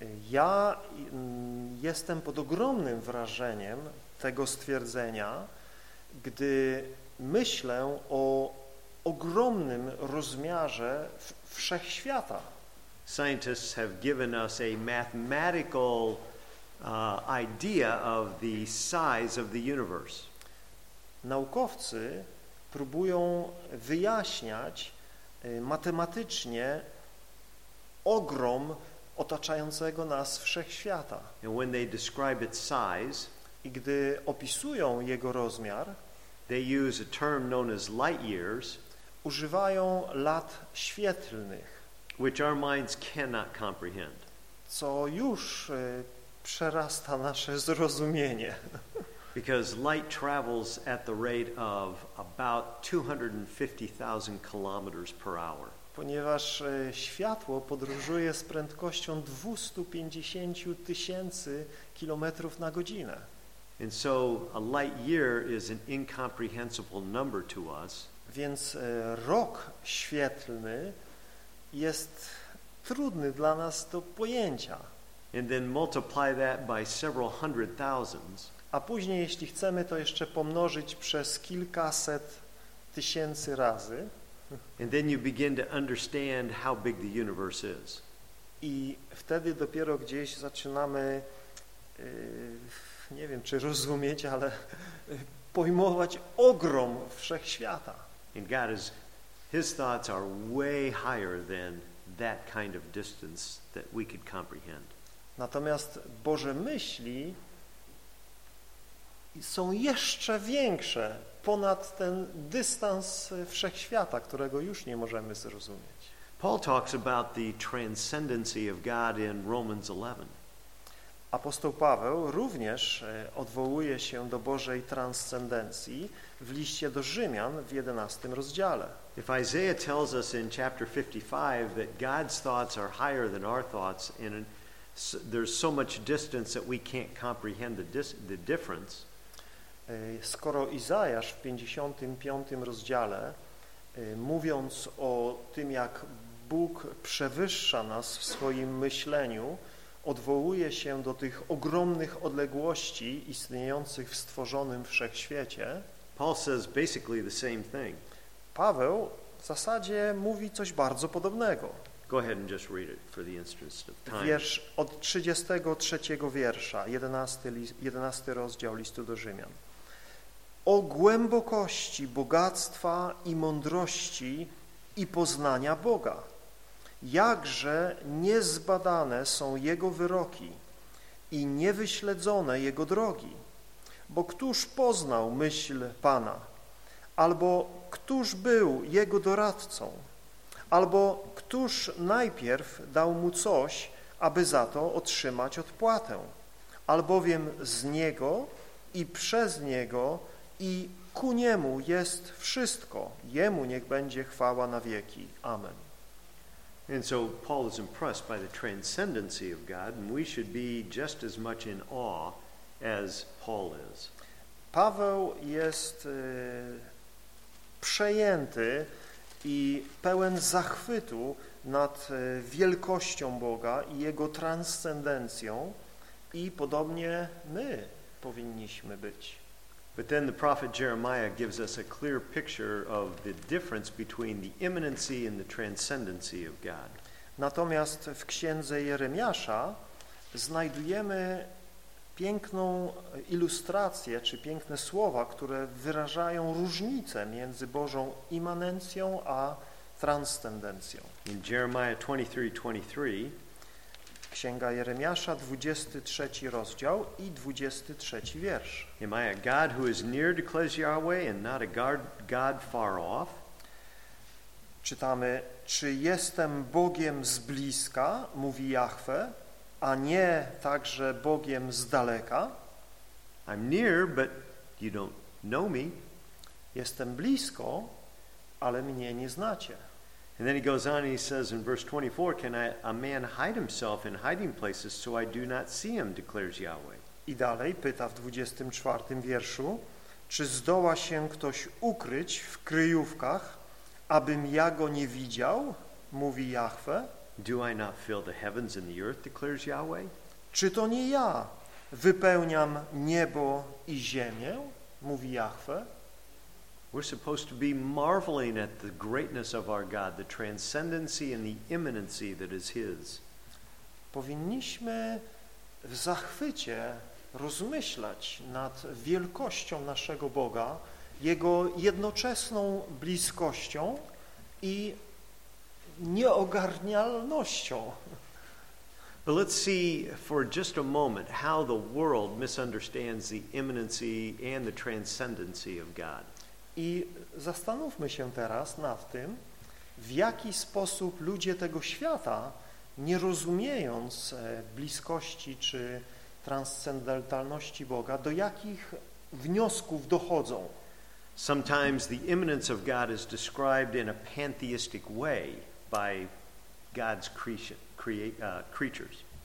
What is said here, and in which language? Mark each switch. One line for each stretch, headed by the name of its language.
Polish: Ja jestem pod ogromnym wrażeniem tego stwierdzenia, gdy myślę o ogromnym rozmiarze wszechświata.
English: Scientists have given us a mathematical idea of the size of the universe.
Polish: Naukowcy próbują wyjaśniać matematycznie ogrom otaczającego nas wszechświata.
English: And when they describe its size,
Polish: i gdy opisują jego rozmiar,
English: they use a term known as light years,
Polish: używają lat świetlnych,
English: which our minds cannot comprehend.
Polish: Co już przerasta nasze zrozumienie.
English: Because light travels at the rate of about 250,000 kilometers per hour.
Polish: Ponieważ światło podróżuje z prędkością 250 tysięcy kilometrów na godzinę.
English: And so a light year is an incomprehensible number to us.
Polish: Więc rok świetlny jest trudny dla nas do pojęcia.
English: And then multiply that by several hundred thousands.
Polish: A później, jeśli chcemy, to jeszcze pomnożyć przez kilkaset tysięcy razy.
English: And then you begin to understand how big the universe is.
Polish: I wtedy dopiero gdzieś zaczynamy, nie wiem, czy rozumieć, ale pojmować ogrom wszechświata.
English: And God is, his thoughts are way higher than that kind of distance that we could comprehend.
Polish: Natomiast Boże myśli są jeszcze większe ponad ten dystans wszechświata, którego już nie możemy zrozumieć.
English: Paul talks about the transcendency of God in Romans 11.
Polish: Apostoł Paweł również odwołuje się do Bożej transcendencji w liście do Rzymian w 11 rozdziale.
English: If Isaiah tells us in chapter 55 that God's thoughts are higher than our thoughts and there's so much distance that we can't comprehend the difference.
Polish: Skoro Izajasz w 55 rozdziale, mówiąc o tym, jak Bóg przewyższa nas w swoim myśleniu, odwołuje się do tych ogromnych odległości istniejących w stworzonym wszechświecie,
English: Paul says basically the same thing.
Polish: Paweł w zasadzie mówi coś bardzo podobnego.
English: Go ahead and just read it for the interest of time.
Polish: Wiersz od 33 wiersza, 11 rozdział listu do Rzymian. O głębokości bogactwa i mądrości i poznania Boga. Jakże niezbadane są Jego wyroki i niewyśledzone Jego drogi. Bo któż poznał myśl Pana? Albo któż był Jego doradcą? Albo któż najpierw dał Mu coś, aby za to otrzymać odpłatę? Albowiem z Niego i przez Niego i ku Niemu jest wszystko. Jemu niech będzie chwała na wieki. Amen.
English: And so Paul is impressed by the transcendency of God, and we should be just as much in awe as Paul is.
Polish: Paweł jest przejęty i pełen zachwytu nad wielkością Boga i Jego transcendencją, i podobnie my powinniśmy być.
English: But then the prophet Jeremiah gives us a clear picture of the difference between the immanency and the transcendency of God.
Polish: Natomiast w księdze Jeremiasza znajdujemy piękną ilustrację, czy piękne słowa, które wyrażają różnicę między Bożą immanencją a transcendencją.
English: In Jeremiah 23:23,
Polish: księga Jeremiasza, 23 rozdział i 23 wiersz.
English: Am I a God who is near, declares Yahweh, and not a God far off?
Polish: Czytamy, czy jestem Bogiem z bliska, mówi Jahwe, a nie także Bogiem z daleka?
English: I'm near, but you don't know me.
Polish: Jestem blisko, ale mnie nie znacie.
English: And then he goes on and he says in verse 24, can a man hide himself in hiding places so I do not see him, declares Yahweh.
Polish: I dalej pyta w 24 wierszu, czy zdoła się ktoś ukryć w kryjówkach, abym ja go nie widział, mówi Jahwe?
English: Do I not fill the heavens and the earth, declares Yahweh?
Polish: Czy to nie ja wypełniam niebo i ziemię, mówi Jahwe?
English: We're supposed to be marveling at the greatness of our God, the transcendency and the immanency that is His.
Polish: Powinniśmy w zachwycie rozmyślać nad wielkością naszego Boga, Jego jednoczesną bliskością i nieogarnialnością.
English: But let's see for just a moment how the world misunderstands the immanency and the transcendency of God.
Polish: I zastanówmy się teraz nad tym, w jaki sposób ludzie tego świata, nie rozumiejąc bliskości czy transcendentalności Boga, do jakich wniosków dochodzą.
English: Sometimes the immanence of God is described in a pantheistic way by God's creatures.